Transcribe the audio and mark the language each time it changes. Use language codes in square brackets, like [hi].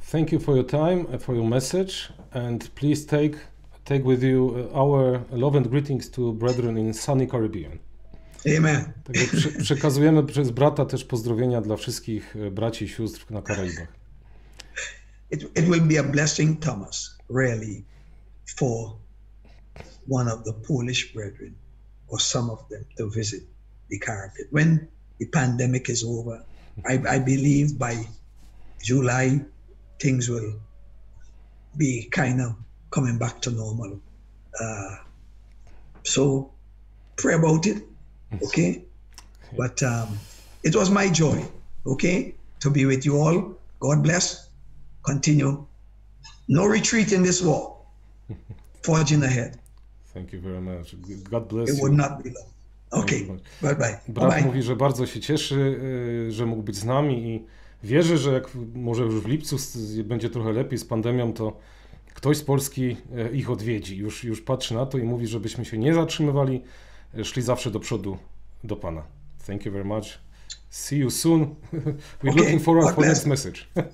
[en] Thank you for your time, for your message, and please take with you our love and greetings to brethren in sunny Caribbean. Amen. [pl] Także przekazujemy przez brata też pozdrowienia dla wszystkich braci i sióstr na Karaibach. [en] It will be a blessing, Thomas, really, for one of the Polish brethren or some of them to visit the Caribbean. When the pandemic is over, I believe by July things will be kind of coming back to normal. So pray about it, okay? But it was my joy, okay, to be with you all. God bless. Continue. No retreat in this war. Forging ahead. Thank you very much. God bless it you. It would not be long. Okay. Bye bye. [pl] Brat [en] bye-bye. [pl] Mówi, że bardzo się cieszy, że mógł być z nami i wierzę, że jak może już w lipcu będzie trochę lepiej z pandemią, to ktoś z Polski ich odwiedzi. Już patrzy na to i mówi, żebyśmy się nie zatrzymywali, szli zawsze do przodu do Pana. [en] Thank you very much. See you soon. We're okay. Looking forward for next message.